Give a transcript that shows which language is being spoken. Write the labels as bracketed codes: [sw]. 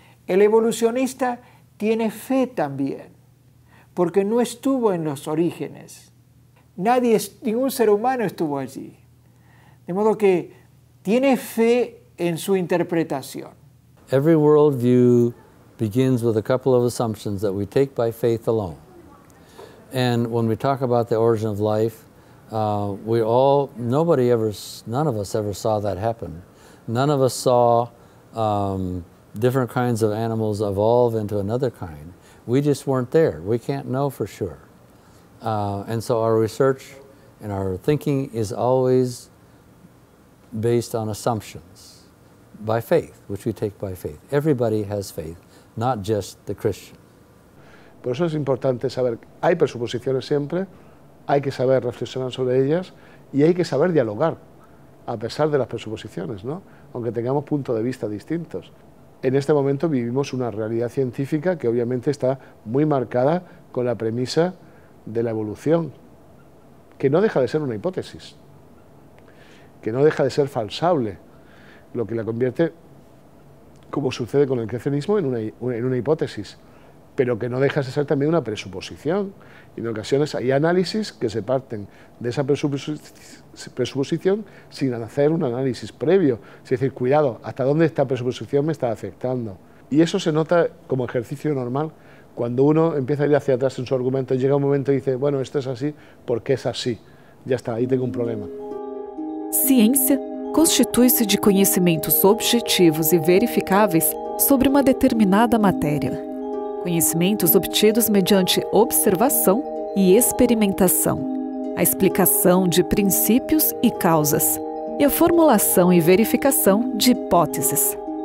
[es] El evolucionista tiene fe también, porque no estuvo en los orígenes. Ningún ser humano estuvo allí. De modo que tiene fe en su interpretación. [en] Every worldview begins with a couple of assumptions that we take by faith alone. And when we talk about the origin of life, none of us ever saw that happen. None of us saw different kinds of animals evolve into another kind. We just weren't there. We can't know for sure. And so our research and our thinking is always based on assumptions by faith, which we take by faith. Everybody has faith, not just the Christian. [es] Por eso es importante saber, hay presuposiciones siempre. Hay que saber reflexionar sobre ellas y hay que saber dialogar, a pesar de las presuposiciones, ¿no? Aunque tengamos puntos de vista distintos. En este momento vivimos una realidad científica que obviamente está muy marcada con la premisa de la evolución, que no deja de ser una hipótesis, que no deja de ser falsable, lo que la convierte, como sucede con el creacionismo, en una hipótesis. Pero que no deja de ser también una presuposición. Y en ocasiones hay análisis que se parten de esa presuposición sin hacer un análisis previo. Es decir, cuidado, ¿hasta dónde esta presuposición me está afectando? Y eso se nota como ejercicio normal. Cuando uno empieza a ir hacia atrás en su argumento, llega un momento y dice, bueno, esto es así porque es así. [pt] já está, aí tem um problema. Ciência constitui-se de conhecimentos objetivos e verificáveis sobre uma determinada matéria. Conhecimentos obtidos mediante observação e experimentação, a explicação de princípios e causas, e a formulação e verificação de hipóteses.